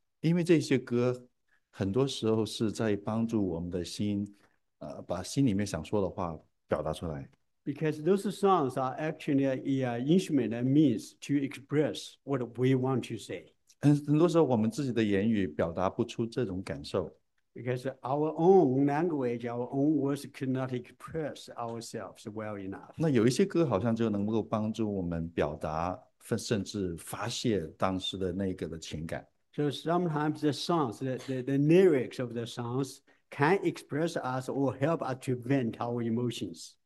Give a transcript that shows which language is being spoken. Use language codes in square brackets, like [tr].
[zh] 因为这些歌很多时候是在帮助我们的心，把心里面想说的话表达出来。 [en] Because those songs are actually an instrument and means to express what we want to say. [zh] 很多时候我们自己的言语表达不出这种感受。 [en] Because our own language, our own words cannot express ourselves well enough. [zh] 那有一些歌好像就能够帮助我们表达，甚至发泄当时的那个的情感。 [en] So sometimes the songs, the lyrics of the songs can express us or help us to vent our emotions.